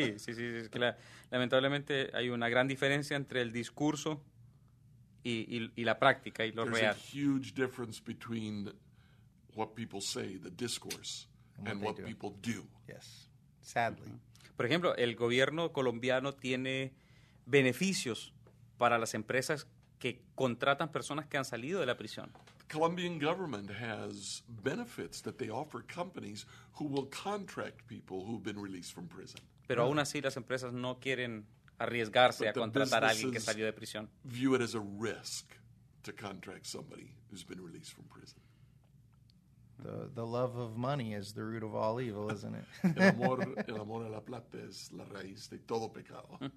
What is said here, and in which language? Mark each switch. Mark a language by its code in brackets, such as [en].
[es] Es que lamentablemente hay una gran diferencia entre el discurso y la práctica y lo [en] There's [es] real. [en] There's a huge difference between what people say, the discourse. And what people do. Yes, sadly. [es] Por ejemplo, el gobierno colombiano tiene beneficios para las empresas que contratan personas que han salido de la prisión. [en] The Colombian government has benefits that they offer companies who will contract people who have been released from prison. [es] Pero aún así las empresas no quieren arriesgarse a contratar a alguien que salió de prisión. [en] View it as a risk to contract somebody who's been released from prison. The love of money is the root of all evil, isn't it? [es] El amor a la plata es la raíz de todo pecado.